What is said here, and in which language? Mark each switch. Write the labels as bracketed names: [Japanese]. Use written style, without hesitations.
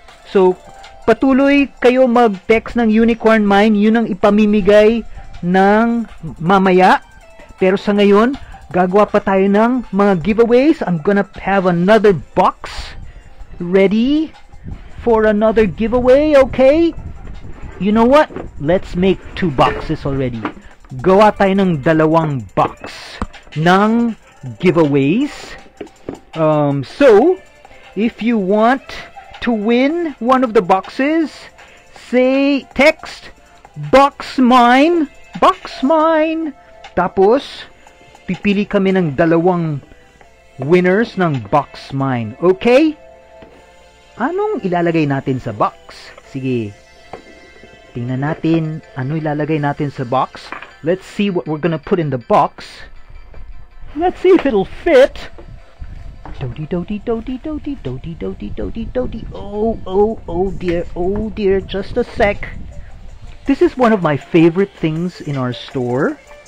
[Filipino] So patuloy kayo mag-text ng unicorn mine. Yun ang ipamimigay ng mamaya. Pero sa ngayon, gagawa pa tayo ng mga giveaways. [English] I'm gonna have another box ready for another giveaway, okay? You know what? Let's make two boxes already. [Filipino] Gawa tayo ng dalawang box ng giveaways. [English] So, if you want to win one of the boxes, say, text box mine, box mine. [Filipino] Tapos, pipili kami ng dalawang winners ng box mine. Okay? Anong ilalagay natin sa box? Sige, tingnan natin ano ilalagay natin sa box. [English] Let's see what we're gonna put in the box. Let's see if it'll fit. Doty doty doty doty doty doty doty doty. Oh dear, just a sec. This is one of my favorite things in our store.